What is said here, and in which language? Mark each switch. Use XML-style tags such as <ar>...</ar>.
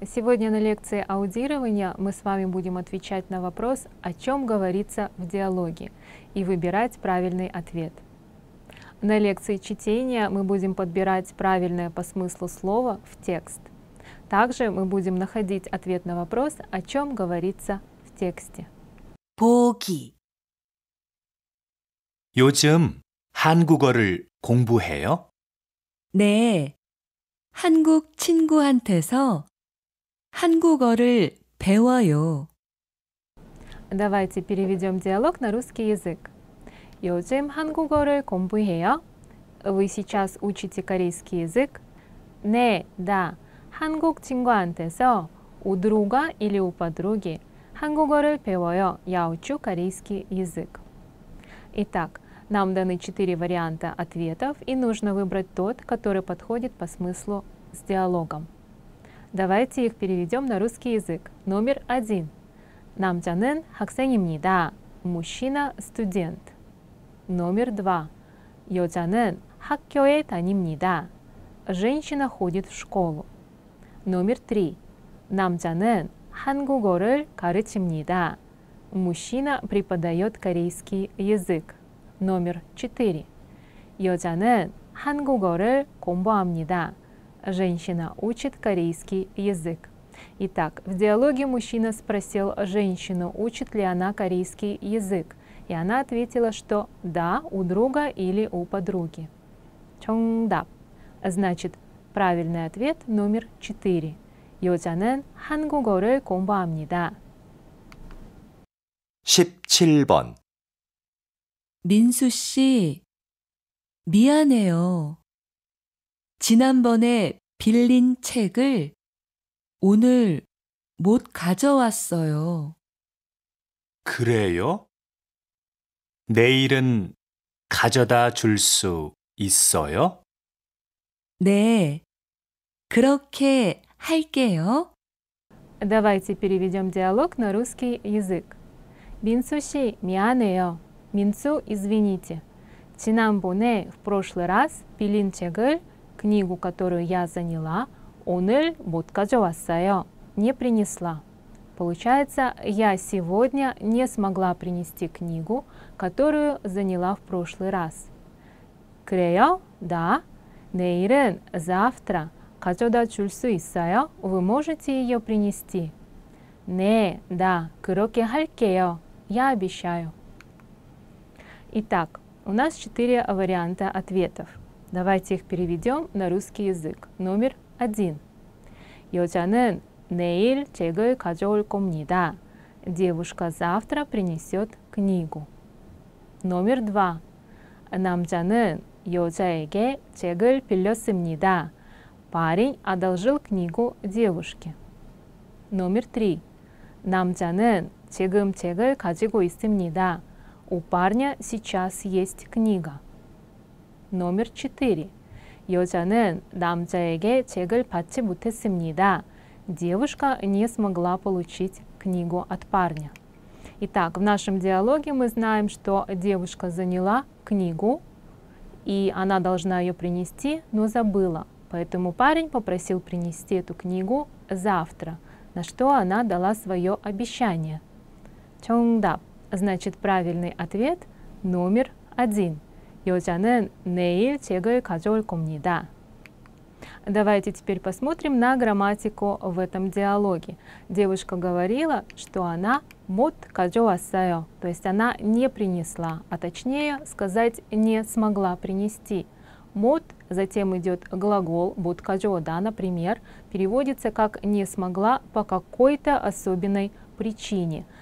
<ru>Сегодня на лекции аудирования мы с вами будем отвечать на вопрос, о чем говорится в диалоге, и выбирать правильный ответ. На лекции чтения мы будем подбирать правильное по смыслу слово в текст. Также мы будем находить ответ на вопрос, о чем говорится в тексте.</ru> <ko>보기. 요즘 한국어를 공부해요? 네. 한국 친구한테서 한국어를 배워요.</ko> <ru>Давайте переведем диалог на русский язык.</ru> <ko>요즘 한국어를 공부해요?</ko> <ru>Вы сейчас учите корейский язык?</ru> <ko>네,</ko> <ru>да.</ru> <ko>한국 친구한테서</ko> <ru>у друга или у подруги</ru> <ko>한국어를 배워요.</ko> <ru>Я учу корейский язык. Итак, нам даны 4 варианта ответов, и нужно выбрать тот, который подходит по смыслу с диалогом. Давайте их переведем на русский язык. Номер 1.</ru> <ko>남자는 학생입니다.</ko> <ru>Мужчина – студент. Номер 2.</ru> <ko>여자는 학교에 다닙니다.</ko> <ru>Женщина ходит в школу. Номер 3.</ru> <ko>남자는 한국어를 가르칩니다.</ko> <ru>Мужчина преподает корейский язык. Номер 4.</ru> <ko>여자는 한국어를 공부합니다.</ko> <ru>Женщина учит корейский язык. Итак, в диалоге мужчина спросил женщину, учит ли она корейский язык. И она ответила, что да, у друга или у подруги. Чонгдап. Значит, правильный ответ номер 4.</ru> <ko>여자는 한국어를 공부합니다. 17번. 민수 씨, 미안해요. 지난번에 빌린 책을 오늘 못 가져왔어요. 그래요? 내일은 가져다 줄 수 있어요? 네, 그렇게 할게요.</ko> <ru>Давайте переведем диалог на русский язык.</ru> <ko>민수 씨, 미안해요.</ko> <ru>민수, извините.</ru> <ko>지난번에,</ko> <ru>в прошлый раз,</ru> <ko>빌린 책을</ko> <ru>книгу, которую я заняла,</ru> <ko>오늘 못 가져왔어요,</ko> <ru>не принесла. Получается, я сегодня не смогла принести книгу, которую заняла в прошлый раз.</ru> <ko>그래요?</ko> <ru>Да.</ru> <ko>내일은</ko> <ru>завтра</ru> <ko>가져다 줄 수 있어요?</ko> <ru>Вы можете ее принести?</ru> <ko>네, 다. 그렇게 할게요.</ko> <ru>Я обещаю. Итак, у нас 4 варианта ответов. Давайте их переведем на русский язык. Номер 1.</ru> <ko>여자는 내일 책을 가져올 겁니다.</ko> <ru>Девушка завтра принесет книгу. Номер 2.</ru> <ko>남자는 여자에게 책을 빌렸습니다.</ko> <ru>Парень одолжил книгу девушке. Номер 3.</ru> <ko>남자는 지금 책을 가지고 있습니다.</ko> <ru>У парня сейчас есть книга. Номер 4.</ru> <ko>여자는 남자에게 책을 받지 못했습니다.</ko> <ru>Девушка не смогла получить книгу от парня. Итак, в нашем диалоге мы знаем, что девушка заняла книгу, и она должна ее принести, но забыла. Поэтому парень попросил принести эту книгу завтра, на что она дала свое обещание.</ru> <ko>정답.</ko> <ru>Значит, правильный ответ номер 1.</ru> <ko>여자는 내일 책을 가져올 겁니다.</ko> <ru>Давайте теперь посмотрим на грамматику в этом диалоге. Девушка говорила, что она</ru> <ko>못 가져왔어요,</ko> <ru>то есть она не принесла, а точнее сказать не смогла принести. 못, затем идет глагол</ru> <ko>못 가져오다,</ko> <ru>например, переводится как не смогла по какой-то особенной причине.</ru>